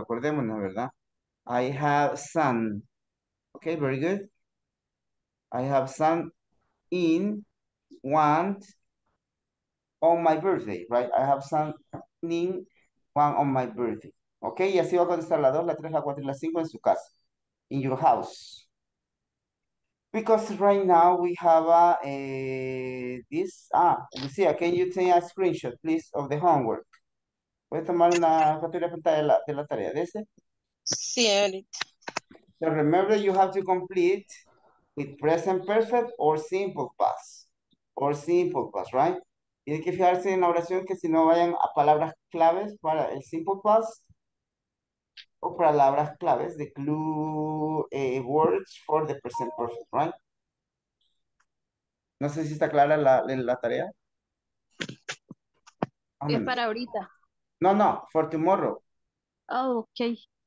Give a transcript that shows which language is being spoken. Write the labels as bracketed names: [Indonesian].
[Spanish] Acordémonos, ¿verdad? [English] I have sung. Okay, very good. I have sung in one on my birthday, right? I have sung in one on my birthday. [Spanish] Okay, y así va a contestar la 2, la 3, la 4 y la 5 en su casa. [English] In your house. Because right now we have Lucia, can you take a screenshot, please, of the homework? [Spanish] ¿Puedes tomar una captura de pantalla de la tarea de ese? Sí, Eric. [English] So remember, you have to complete with present perfect or simple past. Or simple past, right? [Spanish] Y hay que fijarse en la oración que si no vayan a palabras claves para el simple past. O palabras claves, [English] the clue words for the present perfect, right? [Spanish] No sé si está clara la tarea. Es para ahorita. [English] No, for tomorrow. Oh, okay.